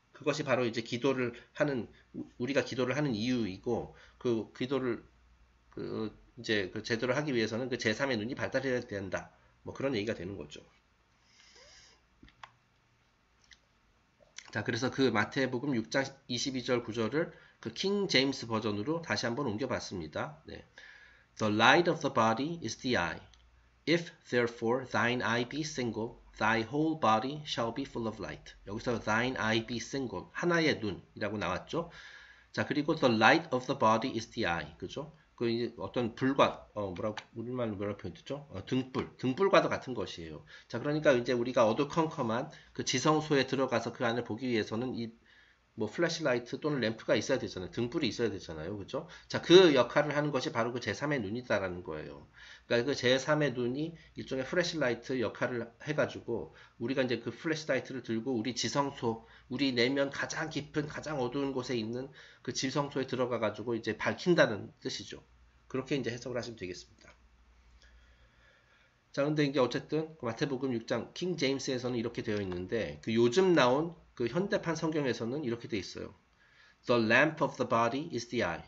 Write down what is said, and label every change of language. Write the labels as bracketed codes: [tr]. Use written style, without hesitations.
[ko] 그것이 바로 이제 기도를 하는, 우리가 기도를 하는 이유이고 그 기도를 그 이제 그 제대로 하기 위해서는 그 제3의 눈이 발달해야 된다. 뭐 그런 얘기가 되는 거죠. 자, 그래서 그 마태복음 6장 22절 9절을 그킹 제임스 버전으로 다시 한번 옮겨봤습니다. 네. [en] The light of the body is the eye. If therefore thine eye be single, thy whole body shall be full of light. [ko] 여기서 [en] thine eye be single, [ko] 하나의 눈이라고 나왔죠. 자, 그리고 [en] the light of the body is the eye. [ko] 그죠? 그 이제 어떤 불과 뭐라고 우리말로 뭐라고 표현했죠? 등불과도 같은 것이에요. 자, 그러니까 이제 우리가 어두컴컴한 그 지성소에 들어가서 그 안을 보기 위해서는 이뭐 플래시라이트 또는 램프가 있어야 되잖아요. 등불이 있어야 되잖아요. 그죠? 자, 그 역할을 하는 것이 바로 그 제3의 눈이다라는 거예요. 그러니까 그 제3의 눈이 일종의 플래시라이트 역할을 해가지고 우리가 이제 그 플래시라이트를 들고 우리 지성소, 우리 내면 가장 깊은 가장 어두운 곳에 있는 그 지성소에 들어가 가지고 이제 밝힌다는 뜻이죠. 그렇게 이제 해석을 하시면 되겠습니다. 자, 근데 이게 어쨌든 마태복음 6장 킹 제임스에서는 이렇게 되어 있는데 그 요즘 나온 그 현대판 성경에서는 이렇게 돼 있어요. [en] The lamp of the body is the eye.